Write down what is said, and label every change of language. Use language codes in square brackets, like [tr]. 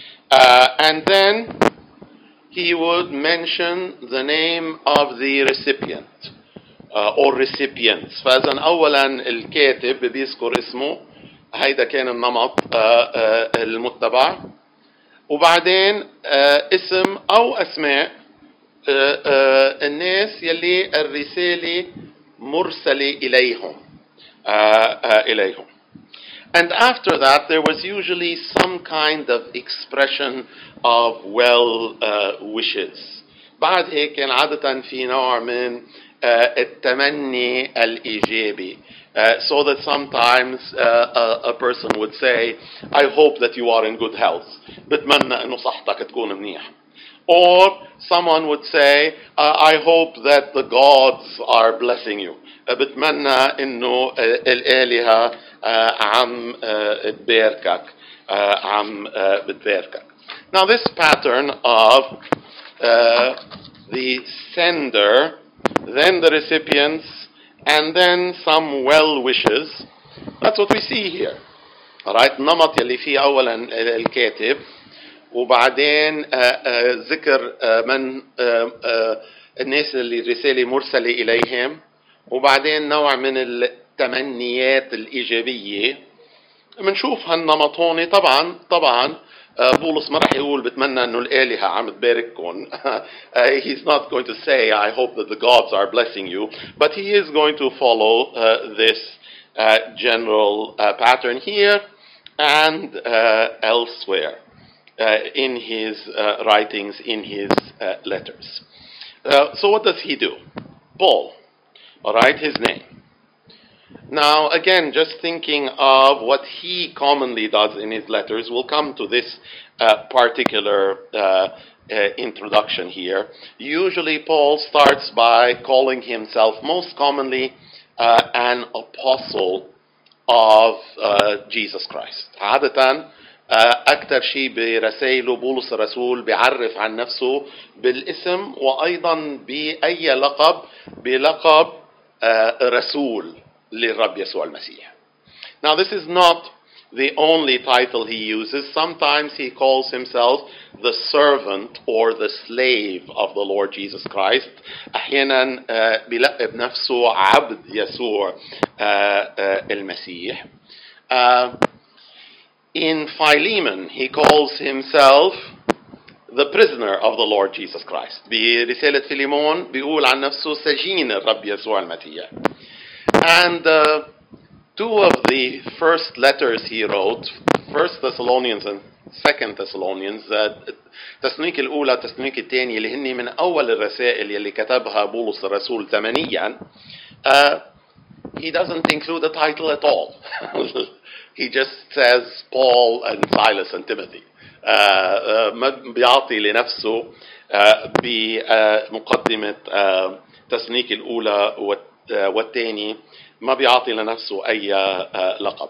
[en] And then he would mention the name of the recipient or recipients. [ar] فإذن أولاً الكاتب بيذكر اسمه. هيدا كان النمط المتبع. وبعدين اسم أو أسماء الناس يلي الرسالة مرسلة إليهم. [en] And after that, there was usually some kind of expression of well wishes. [ar] بعد هيك كان عادة في نوع من التمني الإيجابي. [en] So that sometimes a person would say, I hope that you are in good health. [ar] بتمنى أنه صحتك تكون منيح. [en] Or someone would say, I hope that the gods are blessing you. [ar] بتمنى أنه الآلهة عم بتباركك. [en] Now this pattern of the sender, then the recipients, and then some well wishes, that's what we see here. All right, [ar] نمط يلي فيه أولا الكاتب وبعدين ذكر من الناس اللي رسالة مرسلة إليهم وبعدين نوع من التمنيات الإيجابية منشوف هالنمط هون. طبعا طبعا بولس ما رح يقول بتمنى أنه الآلهة عم تبارككم. [en] He's not going to say I hope that the gods are blessing you, but he is going to follow this general pattern here and elsewhere in his writings, in his letters. So what does he do? Paul. All right, his name. Now, again, just thinking of what he commonly does in his letters, we'll come to this particular introduction here. Usually, Paul starts by calling himself most commonly an apostle of Jesus Christ. [ar] عادة, أكثر شيء برسائله بولس الرسول بيعرف عن نفسه بالاسم وأيضا بأي لقب, بلقب رسول للرب يسوع المسيح. [en] Now this is not the only title he uses. Sometimes he calls himself the servant or the slave of the Lord Jesus Christ. [ar] أحيانا بيلقب نفسه عبد يسوع المسيح. [en] In Philemon he calls himself the prisoner of the Lord Jesus Christ. [ar] برسالة فيليمون بيقول عن نفسه سجين الرب يسوع المسيح. [en] And two of the first letters he wrote, 1 Thessalonians and 2 Thessalonians, [ar] التسنيك الأولى التسنيك الثاني اللي هني من أول الرسائل اللي كتبها بولس الرسول زمنيا, [en] he doesn't include a title at all. He just says Paul and Silas and Timothy. [ar] ما بيعطي لنفسه بمقدمة التسنيك الأولى والثاني ما بيعطي لنفسه أي لقب.